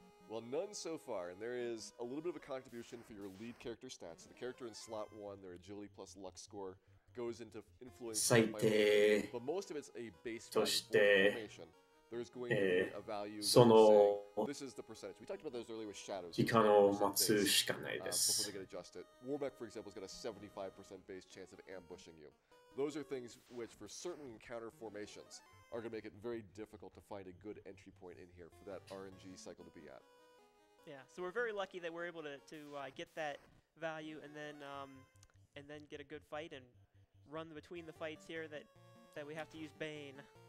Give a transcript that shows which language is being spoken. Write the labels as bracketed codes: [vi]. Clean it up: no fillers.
[en] Well, none so far, and there is a little bit of a contribution for your lead character stats. The character in slot 1, their agility plus luck score. [ja] 最低としてその時間を待つしかないです。 [en] Warbeck, for example, has got a 75% base chance of ambushing you. Those are things which, for certain encounter formations, are going to make it very difficult to find a good entry point in here for that RNG cycle to be at. Yeah, so we're very lucky that we're able to get that value and then get a good fight and run between the fights here that we have to use Bane.